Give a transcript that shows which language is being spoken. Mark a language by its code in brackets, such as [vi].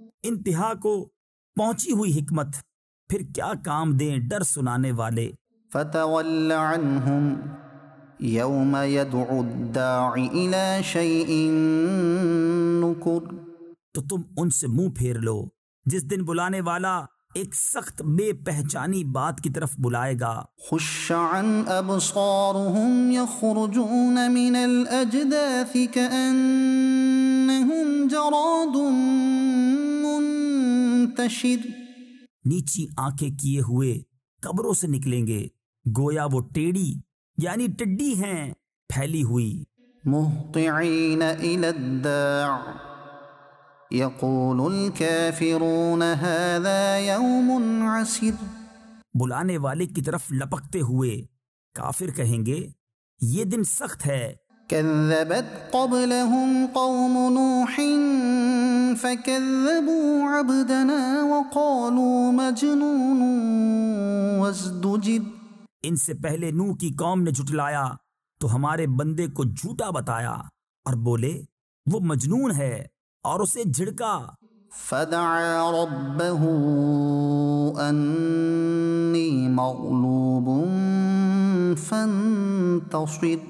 [ur] انتہا کو پہنچی ہوئی حکمت, پھر کیا کام دیں ڈر سنانے والے. [ar] فتول عنہم یوم یدعو الداعی الی شیء نکر. [ur] تو تم ان سے منہ پھیر لو جس دن بلانے والا ایک سخت بے پہچانی بات کی طرف بلائے گا. [ar] خش عن ابصارهم يخرجون من الاجداث كأنهم جراد منتشر. [ur] نیچی آنکھیں کیے ہوئے قبروں سے نکلیں گے گویا وہ ٹیڑی یعنی ٹڈی ہیں پھیلی ہوئی. [ar] مهطعين الى الداع يقول الكافرون هذا يوم عسر. [ur] بلانے والے کی طرف لپکتے ہوئے کافر کہیں گے یہ دن سخت ہے. [ar] كذبت قبلهم قوم نوح فكذبوا عبدنا وقالوا مجنون وازدجر. [ur] ان سے پہلے نوح کی قوم نے جھٹلایا تو ہمارے بندے کو جھوٹا بتایا اور بولے وہ مجنون ہے اور اسے جھڑکا. [ar] فدعا ربه انی مغلوب فانتصر.